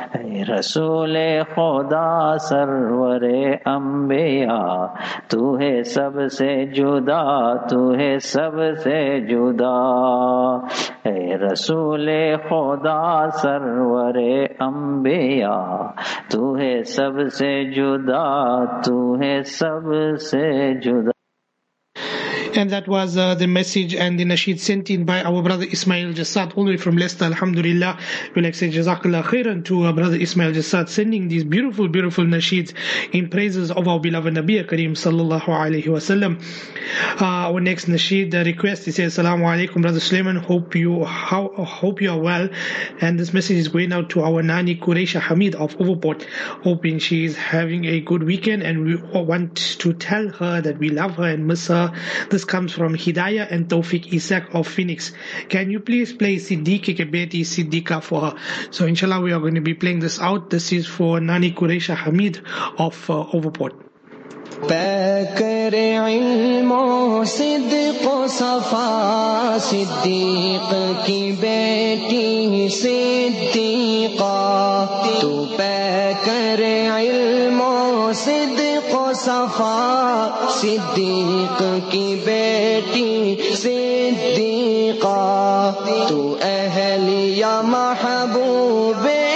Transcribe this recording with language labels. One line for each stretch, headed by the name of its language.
Urdu: اے رسول خدا سرور انبیاء تو ہے سب سے جدا, تو ہے سب سے جدا. اے رسول خدا سرور انبیاء تو ہے سب سے جدا, تو ہے سب سے جدا.
English: And that was the message and the nasheed sent in by our brother Ismail Jassad, all the way from Leicester. Alhamdulillah, we like to say Jazakallah khairan to our brother Ismail Jassad, sending these beautiful, beautiful nasheeds in praises of our beloved Nabi Kareem sallallahu alayhi wa sallam. Our next nasheed request, he says, Assalamu alaikum, brother Sulaiman, hope you are well. And this message is going out to our Nani Quraysha Hamid of Overport, hoping she is having a good weekend, and we want to tell her that we love her and miss her. This comes from Hidayah and Tawfiq Isaac of Phoenix. Can you please play Siddiqui Kebeti Siddiqa for her? So inshallah we are going to be playing this out. This is for Nani Quraysha Hamid of Overport.
Urdu: پیکر علم و صدق و صفا صدیق کی بیٹی صدیقہ, تو پیکر علم و صدق و صفا صدیق کی بیٹی صدیقہ, تو اہل یا محبوب